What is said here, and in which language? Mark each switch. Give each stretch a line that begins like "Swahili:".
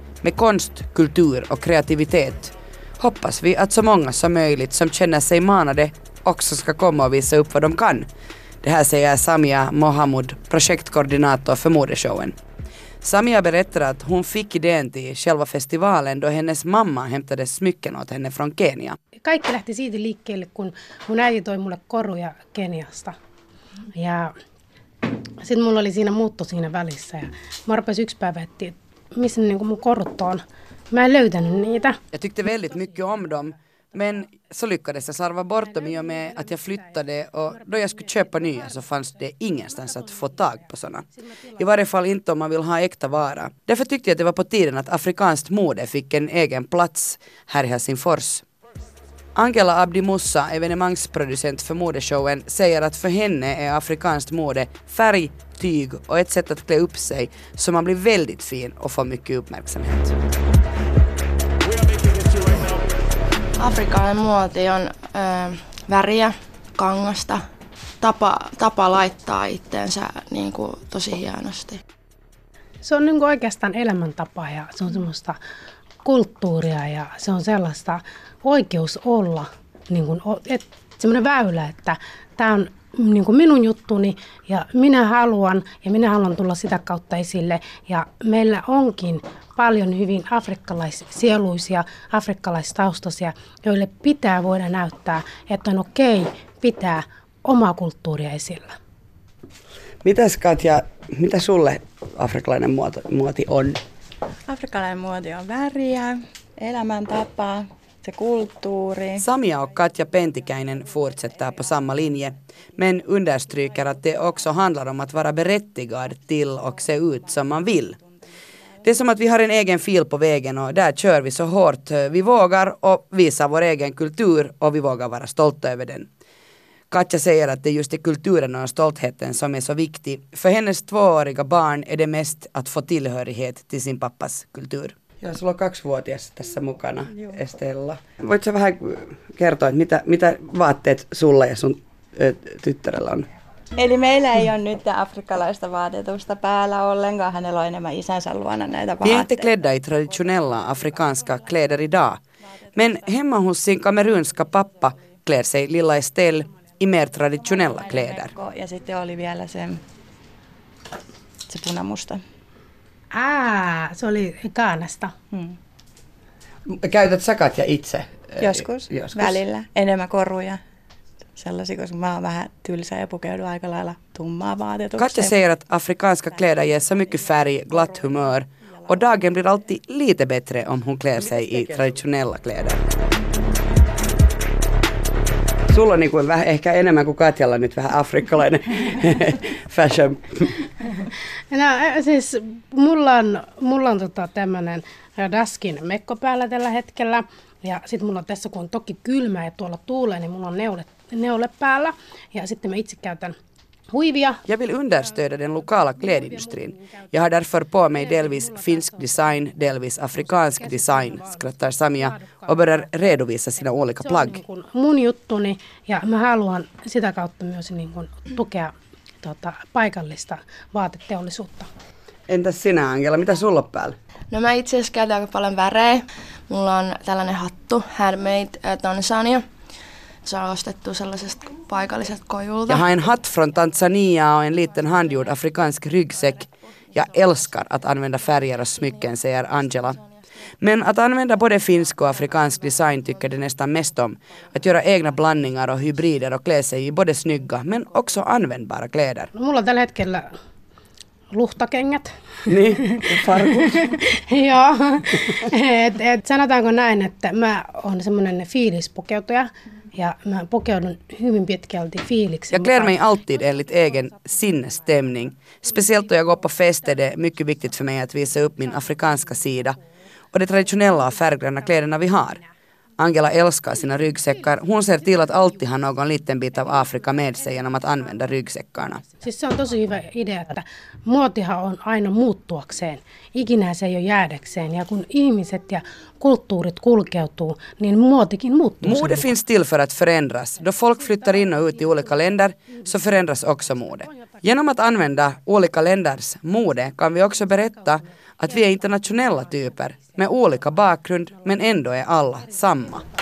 Swedish: Med konst, kultur och kreativitet hoppas vi att så många som möjligt som känner sig manade också ska komma och visa upp vad de kan. Det här säger Samia Mohamud, projektkoordinator för modeshowen. Samia berättar att hon fick idén till själva festivalen då hennes mamma hämtade smycken åt henne från Kenya.
Finnish: Kaikki lähti siitä liikkeelle, kun mun äiti toi mulle koruja Keniasta. Ja sitten mulla oli siinä muutto siinä välissä ja mä rupesin yksi päivä, että missä niinku mun korut on. Mä en löytänyt niitä.
Swedish: Jag tyckte väldigt mycket om dem, men så lyckades jag sarva bort dem i och med att jag flyttade och då jag skulle köpa nya så fanns det ingenstans att få tag på såna. I varje fall inte om man vill ha äkta vara. Därför tyckte jag att det var på tiden att afrikanskt mode fick en egen plats här i Helsingfors. Angela Abdimussa, evenemangsproducent för modeshowen, säger att för henne är afrikanskt mode färg, tyg och ett sätt att klä upp sig så man blir väldigt fin och får mycket uppmärksamhet.
Finnish: Afrikan muoti on väriä, kangasta, tapa laittaa itteensä niin kuin tosi hienosti. Se on niin kuin oikeastaan elämäntapa ja se on semmoista kulttuuria ja se on sellaista oikeus olla niin kuin, semmoinen väylä, että tämä on niin kuin minun juttuni ja minä haluan tulla sitä kautta esille. Ja meillä onkin paljon hyvin afrikkalaissieluisia, afrikkalaistaustaisia, joille pitää voida näyttää, että on okei pitää omaa kulttuuria esillä. Mitäs Katja, mitä sulle afrikkalainen muoti on? Afrikkalainen muoti on väriä, elämäntapa, se kulttuuri.
Swedish: Samia och Katja Pentikäinen fortsätter på samma linje, men understryker att det också handlar om att vara berättigad till och se ut som man vill. Det är som att vi har en egen fil på vägen och där kör vi så hårt vi vågar och visar vår egen kultur och vi vågar vara stolta över den. Katja säger att det är just i kulturen och stoltheten som är så viktig. För hennes tvååriga barn är det mest att få tillhörighet till sin pappas kultur.
Finnish: Ja, sulla on 2-vuotias tässä mukana, Estella. Voitko sä vähän kertoa, että mitä vaatteet sulla ja sun tyttärellä on? Eli meillä ei ole nyt afrikkalaista vaatetusta päällä ollenkaan. Hänellä on enemmän isänsä luona näitä vaatteita.
Swedish: Vi är inte klädda i traditionella afrikanska kläder idag. Men hemma hos sin kamerunska pappa klär sig lilla Estelle i mer traditionella kläder.
Finnish: Ja sitten oli vielä se punamusta. Se oli Kaanasta. Käytät sä Katja itse? Joskus. Välillä. Enemmän koruja. Sellaisia, koska mä oon vähän tylsä ja pukeudun aika lailla tummaa vaatetukseen.
Swedish: Katja säger att afrikanska kläder ger så mycket färg, glatt humör. Och dagen blir alltid lite bättre om hon klär sig i traditionella kläder.
Finnish: Sulla on niinku vähän, ehkä enemmän kuin Katjalla nyt vähän afrikkalainen fashion. No siis mulla on tämmönen daskin mekko päällä tällä hetkellä. Ja sit mulla on tässä, kun on toki kylmä ja tuolla tuulee, niin mulla on neule päällä. Ja sitten mä itse käytän huivia.
Swedish: Jag vill understöda den lokala klädindustrin. Jag har därför på mig delvis finsk design, delvis afrikansk design, skrattar Samia och börjar redovisa sina olika plagg.
Finnish: Se on mun juttuni ja mä haluan sitä kautta myös niin kuin tukea paikallista vaateteollisuutta. Entäs sinä Angela, mitä sulla on päällä? No mä itse asiassa käytän aika paljon värejä. Mulla on tällainen hattu, handmade Tanzania. Se on ostettu sellaisesta paikalliset kojulta.
Swedish: Jag har en hatt från Tanzania och en liten handgjord afrikansk ryggsäck. Jag älskar att använda färger och smycken, säger Angela. Men att använda både finsk och afrikansk design tycker det nästan mest om. Att göra egna blandningar och hybrider och klä sig i både snygga men också användbara kläder.
Finnish: Mulla tällä hetkellä luhtakengät. Niin, farkut. Joo. Sanotaanko näin, että mä oon semmoinen fiilispukeutuja. Ja mä pukeudun hyvin pitkälti fiiliksi.
Swedish: Ja klär mig alltid enligt egen sinnesstämning. Speciellt då jag går på fester, det är mycket viktigt för mig att visa upp min afrikanska sida. Och det traditionella och färggranna kläderna vi har. Angela älskar sina ryggsäckar. Hon ser till att alltid ha någon liten bit av Afrika med sig genom att använda ryggsäckarna.
Finnish: Siis se on tosi hyvä idea, että muotihan on aina muuttuakseen. Ikinä se ei ole jäädäkseen. Ja kun ihmiset ja kulttuurit kulkeutuu, niin muotikin muuttuu.
Swedish: Mode finns till för att förändras. Då folk flyttar in och ut i olika länder så förändras också mode. Genom att använda olika länders mode kan vi också berätta att vi är internationella typer med olika bakgrund men ändå är alla samma.